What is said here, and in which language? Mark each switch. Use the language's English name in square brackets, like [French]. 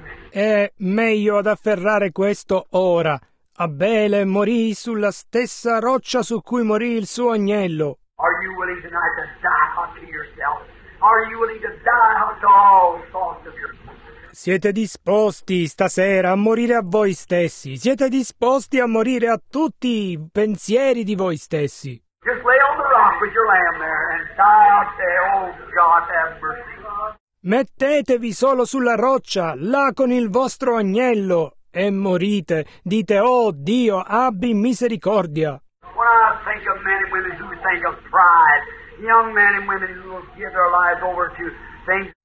[Italian] È meglio ad afferrare questo ora. Abele morì sulla stessa roccia su cui morì il suo agnello. [English] Are you willing tonight to die unto yourself? Are you willing to die unto all thoughts of yourself? [Italian] Siete disposti stasera a morire a voi stessi? Siete disposti a morire a tutti i pensieri di voi stessi? [English] Just lay on the rock with your lamb there and die out there, oh God, have mercy. [Italian] Mettetevi solo sulla roccia, là con il vostro agnello, e morite. Dite, oh Dio, abbi misericordia. [English] When I think of men and women who think of pride, young men and women who give their lives over to things.